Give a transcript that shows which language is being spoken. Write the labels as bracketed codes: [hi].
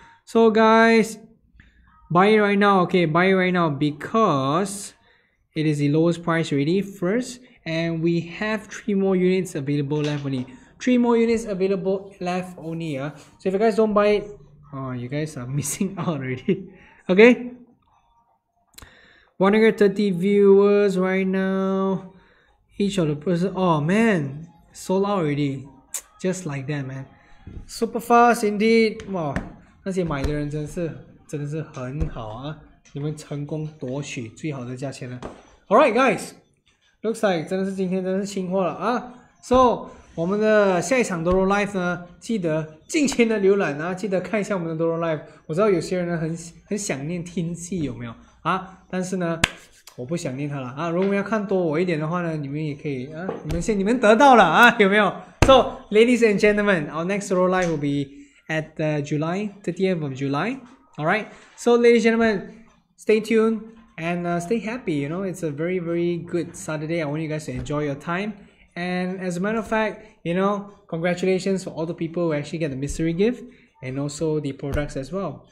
[en] So guys, buy it right now, okay, buy it right now, because it is the lowest price already first, and we have 3 more units available left only, 3 more units available left only, so if you guys don't buy it, oh, you guys are missing out already, okay? 130 viewers right now, each of the person, oh man, sold out already, just like that, man. Super fast indeed. [zh] Wow, 那些买的人真的是很好啊，你们成功夺取最好的价钱了。 [en] Alright guys, looks like [zh] 真的是今天真的是清货了啊。 So 我们的下一场 DoroLive 呢，记得尽情的浏览啊，记得看一下我们的 DoroLive。我知道有些人呢很想念听戏，有没有啊？但是呢， 我不想念他了啊，如果要看多我一点的话呢，你们也可以啊，你们先你们得到了啊，有没有？ [en] So ladies and gentlemen, our next DoroLive will be at July 30th of July. Alright, so ladies and gentlemen, stay tuned and stay happy. You know, it's a very, very good Saturday. I want you guys to enjoy your time. And as a matter of fact, you know, congratulations for all the people who actually get the mystery gift and also the products as well.